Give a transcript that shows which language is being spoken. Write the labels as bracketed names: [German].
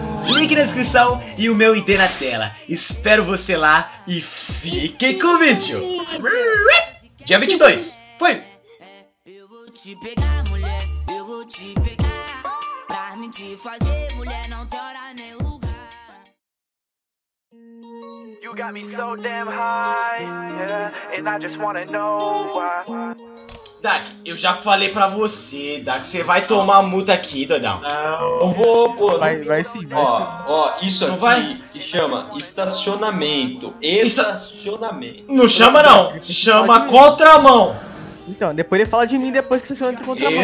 [Portuguese] Link na descrição e o meu ID na tela. Espero você lá e fiquem com o vídeo. Dia 22. Foi! Eu vou te pegar, mulher, eu vou te pegar. Pra me te fazer, mulher, não tora nem o... [English] You got me so damn high, yeah, and I just wanna know why. [Portuguese] Dak, eu já falei pra você, Dak, você vai tomar multa aqui, doidão. Não, não vou, pô. Vai sim. Ó, isso não aqui vai? Se chama estacionamento. Estacionamento. Não chama não, chama contramão. Então, depois ele fala de mim depois que estaciona contramão.